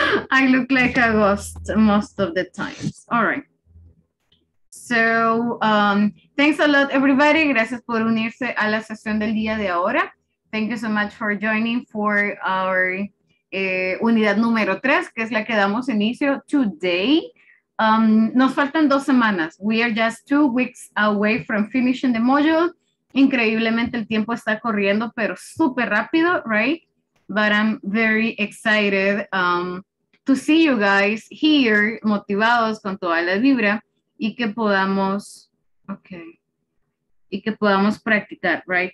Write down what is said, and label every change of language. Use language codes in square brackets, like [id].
[en] I look like a ghost most of the times. All right. So, thanks a lot, everybody. [es] Gracias por unirse a la sesión del día de ahora. [en] Thank you so much for joining for our [es] unidad número 3, que es la que damos inicio [en] today. [es] Nos faltan 2 semanas. [en] We are just 2 weeks away from finishing the module. [es] Increíblemente el tiempo está corriendo, pero súper rápido, right? [en] But I'm very excited to see you guys here, [es] motivados con toda la vibra, y que podamos, okay, y que podamos practicar, right?